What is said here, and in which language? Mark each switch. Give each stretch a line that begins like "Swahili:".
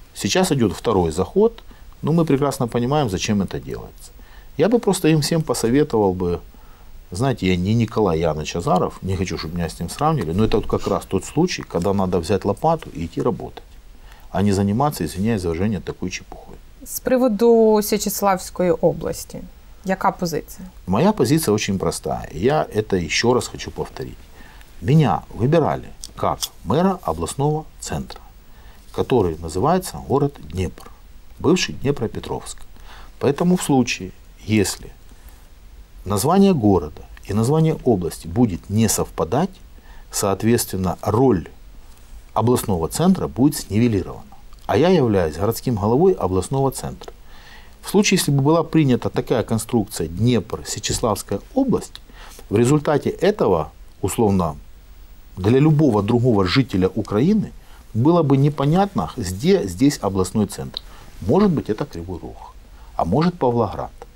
Russian: Сейчас идет второй заход, но мы прекрасно понимаем, зачем это делается. Я бы просто им всем посоветовал бы, знаете, я не Николай Яныч Азаров, не хочу, чтобы меня с ним сравнили, но это вот как раз тот случай, когда надо взять лопату и идти работать.
Ukrainian: А не займатися,
Russian: извиняюсь за вражение,
Ukrainian: такою чепухою. З приводу Січеславської області, яка позиція? Моя позиція дуже проста. Я це ще раз хочу повторити. Мене вибирали як мера обласного центру, який називається город Дніпр, бувший Дніпропетровськ. Тому в випадку, якщо названня міста і названня області буде не совпадати, відповідно, роль обласного центра
Russian: будет снивелировано. А я являюсь городским головой областного центра. В случае, если бы была принята такая конструкция Днепр-Сечеславская область, в результате этого, условно, для любого другого жителя Украины было бы непонятно, где здесь областной центр. Может быть, это Кривой Рог, а может, Павлоград.